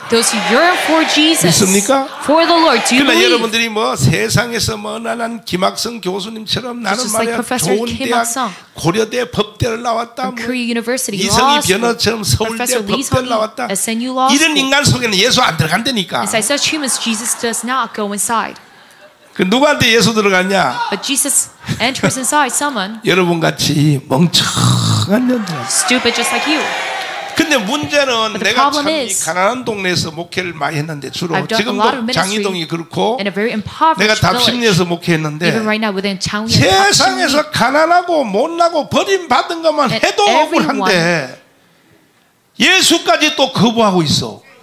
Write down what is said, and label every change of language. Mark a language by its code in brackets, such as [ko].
[en] Those who yearn for Jesus. [ko] 믿습니까? [en] For the Lord, do you believe? [ko] 여러분들이 뭐 세상에서 뭐 나는 김학성 교수님처럼 나는 말이야 [en] like [ko] 좋은 대학 고려대 법대를 나왔다. 뭐 [en] Korea University. [ko] 이성희 변호처럼 서울대 법대를 나왔다. [en] SNU Law. [ko] 이런 인간 속에는 예수 안 들어간다니까. [en] Inside such humans, Jesus does not go inside. [ko] 그 누구한테 예수 들어갔냐? [en] But Jesus enters inside someone. [ko] 여러분 같이 멍청한 년들. [en] Stupid just like you. [ko] 근데 문제는 내가 참 이 가난한 동네에서 목회를 많이 했는데 주로 지금도 장이동이 그렇고 내가 답심리에서 목회했는데 세상에서 가난하고 못나고 버림받은 것만 해도 억울한데 예수까지 또 거부하고 있어.